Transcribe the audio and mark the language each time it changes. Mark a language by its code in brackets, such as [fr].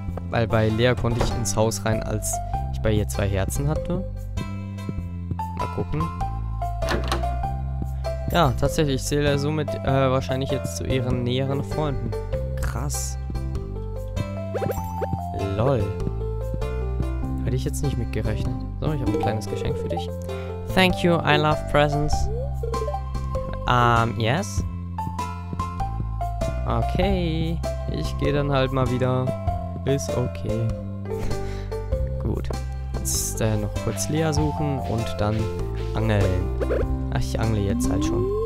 [de] Weil bei Lea konnte ich ins Haus rein, als ich bei ihr 2 Herzen hatte. Mal gucken. Ja, tatsächlich, ich zähle somit wahrscheinlich jetzt zu ihren näheren Freunden. Krass. Lol. Hätte ich jetzt nicht mitgerechnet. So, ich habe ein kleines Geschenk für dich. [en] Thank you, I love presents. Yes? [de] Okay, ich gehe dann halt mal wieder. Ist okay. Gut. Jetzt noch kurz Lea suchen und dann angeln. Ach, ich angle jetzt halt schon.